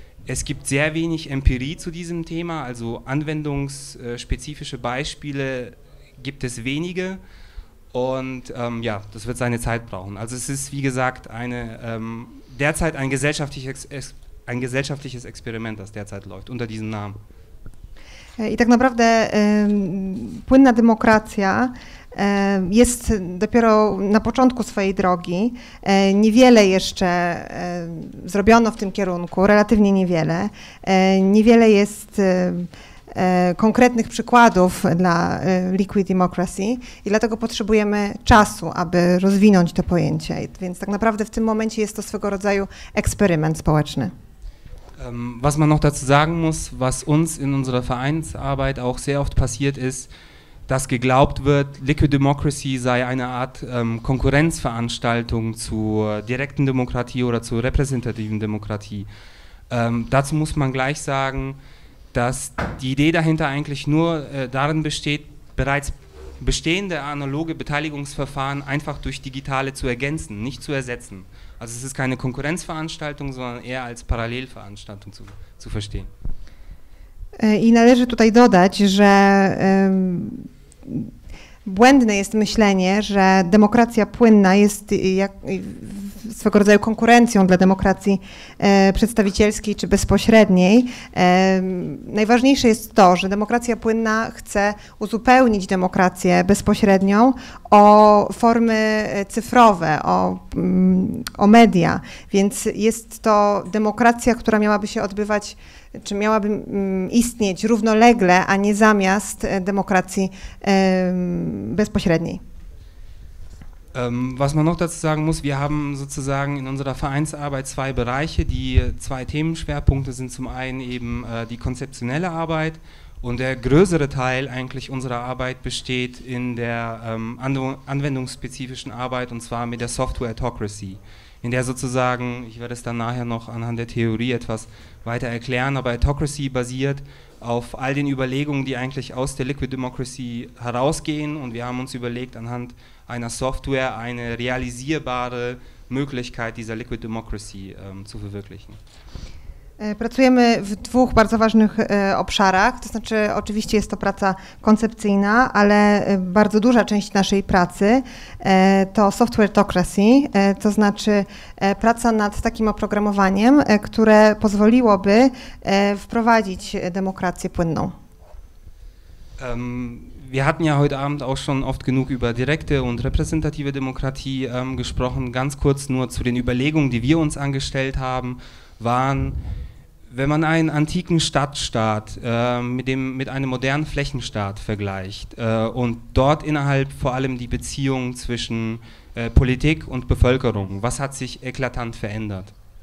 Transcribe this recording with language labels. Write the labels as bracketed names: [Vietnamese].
[German] Es gibt sehr wenig Empirie zu diesem Thema, also anwendungsspezifische Beispiele gibt es wenige und ja, das wird seine Zeit brauchen. Also es ist, wie gesagt, derzeit ein gesellschaftliches Experiment, das derzeit läuft unter diesem Namen. [Polish] I tak naprawdę płynna demokracja jest dopiero na początku swojej drogi. Niewiele jeszcze zrobiono w tym kierunku, relatywnie niewiele. Niewiele jest konkretnych przykładów dla liquid democracy i dlatego potrzebujemy czasu, aby rozwinąć to pojęcie. Więc tak naprawdę w tym momencie jest to swego rodzaju eksperyment społeczny. [German] Was man noch dazu sagen muss, was uns in unserer Vereinsarbeit auch sehr oft passiert ist, dass geglaubt wird, Liquid Democracy sei eine Art Konkurrenzveranstaltung zur direkten Demokratie oder zur repräsentativen Demokratie. Dazu muss man gleich sagen, dass die Idee dahinter eigentlich nur darin besteht, bereits bestehende analoge Beteiligungsverfahren einfach durch digitale zu ergänzen, nicht zu ersetzen. Also es ist keine Konkurrenzveranstaltung, sondern eher als Parallelveranstaltung zu verstehen. [Polish] I należy tutaj dodać, że błędne jest myślenie, że demokracja płynna jest swego rodzaju konkurencją dla demokracji przedstawicielskiej czy bezpośredniej. Najważniejsze jest to, że demokracja płynna chce uzupełnić demokrację bezpośrednią o formy cyfrowe, o media. Więc jest to demokracja, która miałaby się odbywać, czy miałaby istnieć równolegle, a nie zamiast demokracji bezpośredniej. [German] Was man noch dazu sagen muss, wir haben sozusagen in unserer Vereinsarbeit zwei Bereiche, die zwei Themenschwerpunkte sind zum einen eben die konzeptionelle Arbeit und der größere Teil eigentlich unserer Arbeit besteht in der anwendungsspezifischen Arbeit und zwar mit der Software-Autocracy, in der sozusagen, ich werde es dann nachher noch anhand der Theorie etwas weiter erklären, aber Autocracy basiert auf all den Überlegungen, die eigentlich aus der Liquid Democracy herausgehen und wir haben uns überlegt, anhand einer Software eine realisierbare Möglichkeit dieser Liquid Democracy zu verwirklichen. [Polish] Pracujemy w dwóch bardzo ważnych obszarach, to znaczy oczywiście jest to praca koncepcyjna, ale bardzo duża część naszej pracy to software-tocracy, to znaczy praca nad takim oprogramowaniem, które pozwoliłoby wprowadzić demokrację płynną. [German] Wir hatten ja heute Abend auch schon oft genug über direkte und repräsentative Demokratie gesprochen. Ganz kurz nur zu den Überlegungen, die wir uns angestellt haben, waren, wenn man einen antiken Stadtstaat mit einem modernen Flächenstaat vergleicht und dort innerhalb vor allem die Beziehung zwischen Politik und Bevölkerung, was hat sich eklatant verändert?